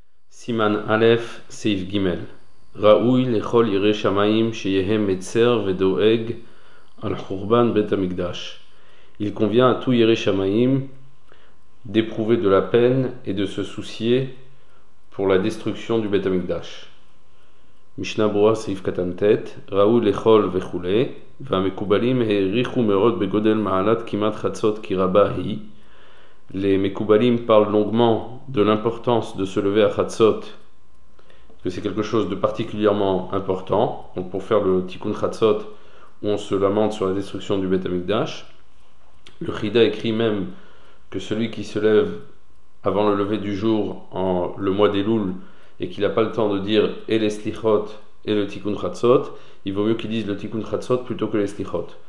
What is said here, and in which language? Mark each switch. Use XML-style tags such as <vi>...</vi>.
<he>סימן א', סעיף ג', ראוי לכל ירא שמיים שיהיה מצר ודואג על חורבן בית המקדש.</he> <fr>Il convient à tout ירא שמיים d'éprouver de la peine et de se soucier pour la destruction du בית המקדש.</fr> <he>משנה ברורה, סעיף קטן ט', ראוי לכל וכו', והמקובלים העריכו מאוד בגודל מעלת כמעט חצות כי רבה היא.</he> <fr>Les Mekoubalim parlent longuement de l'importance de se lever à Chatzot, que c'est quelque chose de particulièrement important. Donc pour faire le Tikkun Chatzot, où on se lamente sur la destruction du Beit HaMikdash. Le Chida écrit même que celui qui se lève avant le lever du jour, en le mois d'Eloul, et qu'il n'a pas le temps de dire et les Slichot et le Tikkun Chatzot, il vaut mieux qu'il dise le Tikkun Chatzot plutôt que les Slichot.</fr>